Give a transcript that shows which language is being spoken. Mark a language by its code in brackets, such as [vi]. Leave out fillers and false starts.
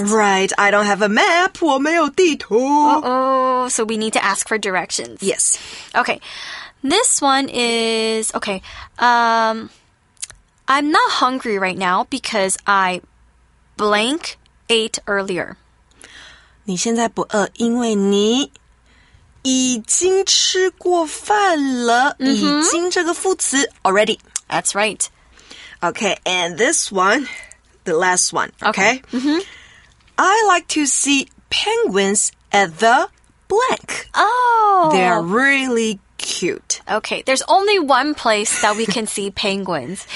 [en] Right, I don't have a map. [zh] 我没有地图。 [en] Uh-oh, so we need to ask for directions. Yes. Okay, this one is... Okay, I'm not hungry right now because I blank ate earlier. [zh] 你现在不饿因为你已经吃过饭了、 mm-hmm. 已经这个副词 already. [en] That's right. Okay, and this one, the last one, okay? Okay. Mm-hmm. I like to see penguins at the blank. Oh. They're really cute. Okay, there's only one place that we can see penguins.